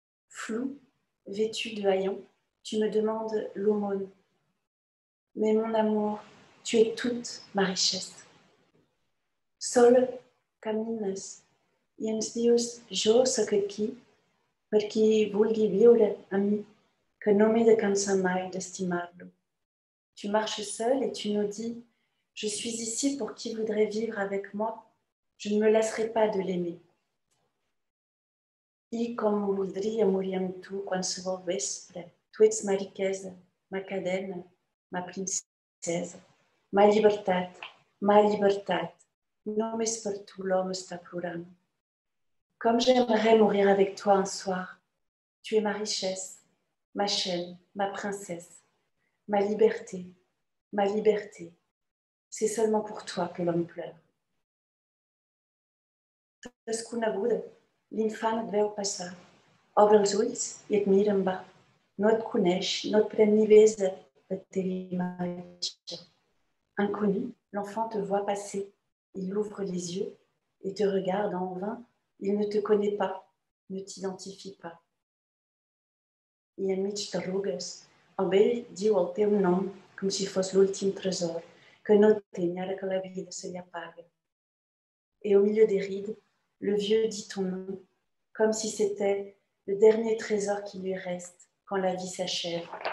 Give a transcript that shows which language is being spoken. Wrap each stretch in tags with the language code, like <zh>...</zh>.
<fr>Flou, vêtu de haillons, tu me demandes l'aumône. Mais mon amour, tu es toute ma richesse.</fr> <ca>Sol camines i ens dius jo sóc aquí perquè vulgui viure amb mi que no m'he de cansar mai d'estimar-lo.</ca> <fr>Tu marches seul et tu nous dis je suis ici pour qui voudrait vivre avec moi, je ne me lasserai pas de l'aimer.</fr> <ca>I com voldria morir amb tu quan se vol vespre, tu ets ma riquesa, ma cadena, ma princesa, ma libertat, ma libertat.</ca> <fr>Non, mais pour tout l'homme, c'est plural. Comme j'aimerais mourir avec toi un soir. Tu es ma richesse, ma chaîne, ma princesse, ma liberté, ma liberté. C'est seulement pour toi que l'homme pleure.</fr> <ca>Desconeguda, l'infant et veu passar. Obre els ulls i et mira en bas. No et coneix, no et pren ni besa de tes images.</ca> <fr>Inconnu, l'enfant te voit passer. Il ouvre les yeux et te regarde en vain. Il ne te connaît pas, ne t'identifie pas.</fr> <ca>I en mig t'arrugues, amb ell diu el teu nom com si fos l'últim tresor, que no té ni ara que la vida se li apaga.</ca> <fr>Et au milieu des rides, le vieux dit ton nom comme si c'était le dernier trésor qui lui reste quand la vie s'achève.</fr>